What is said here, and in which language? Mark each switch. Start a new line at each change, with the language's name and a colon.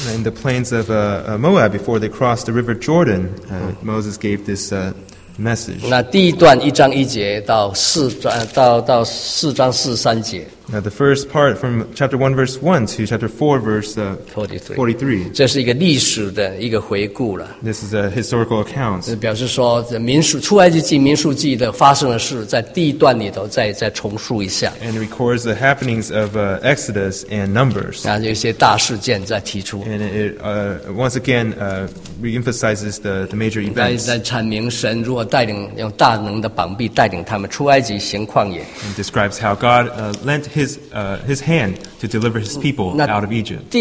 English: In the plains of Moab, before they crossed the river Jordan, Moses gave this message.
Chinese: 那第一段一章一节到四章四三节。
English: Now the first part from chapter 1 verse 1 to chapter 4 verse 43.
Chinese: 这是一个历史的一个回顾了。
English: This is a historical account.
Chinese: 表示说民数出埃及记民数记的发生的事在第一段里头再重述一下。
English: And it records the happenings of Exodus and Numbers.
Chinese: 那有一些大事件在提出。
English: And it once again reemphasizes the major events.
Chinese: 在阐明神如何带领用大能的膀臂带领他们出埃及行旷野。
English: And describes how God lent His hand to deliver his people out of Egypt.